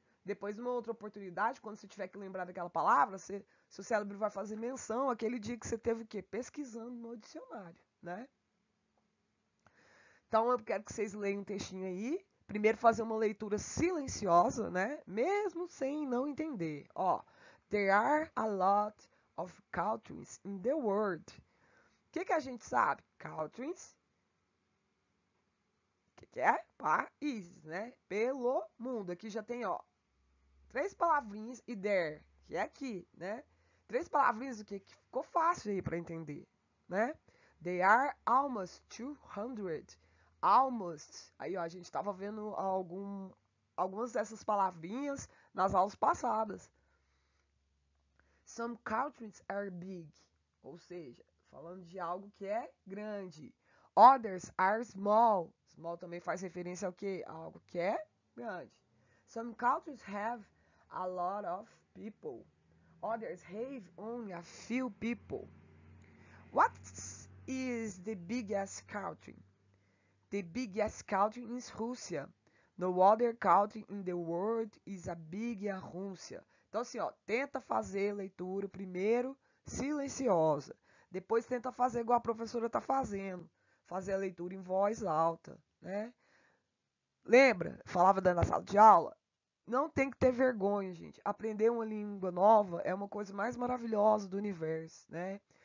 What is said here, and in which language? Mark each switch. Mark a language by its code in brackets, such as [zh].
[pt] Depois, numa outra oportunidade, quando você tiver que lembrar daquela palavra, seu cérebro vai fazer menção àquele dia que você teve o quê? Pesquisando no dicionário, né? Então, eu quero que vocês leiam um textinho aí. Primeiro, fazer uma leitura silenciosa, né? Mesmo sem não entender. [en] Ó, there are a lot of countries in the world. [pt] O que que a gente sabe? Countries. O que que é? Países, né? Pelo mundo. Aqui já tem, ó, três palavrinhas e there, que é aqui, né? Três palavrinhas, o que que ficou fácil aí para entender, né? [en] They are almost 200. Almost. [pt] Aí, ó, a gente estava vendo algumas dessas palavrinhas nas aulas passadas. [en] Some countries are big. [pt] Ou seja, falando de algo que é grande. [en] Others are small. [pt] Small também faz referência ao quê? Algo que é grande. [en] Some countries have a lot of people. Others have only a few people. What is the biggest country? The biggest country is Russia. No other country in the world is a big Russia. [pt] Então, assim, ó, tenta fazer leitura primeiro silenciosa. Depois tenta fazer igual a professora está fazendo. Fazer a leitura em voz alta, né? Lembra? Falava dentro da sala de aula? Não tem que ter vergonha, gente. Aprender uma língua nova é uma coisa mais maravilhosa do universo, né?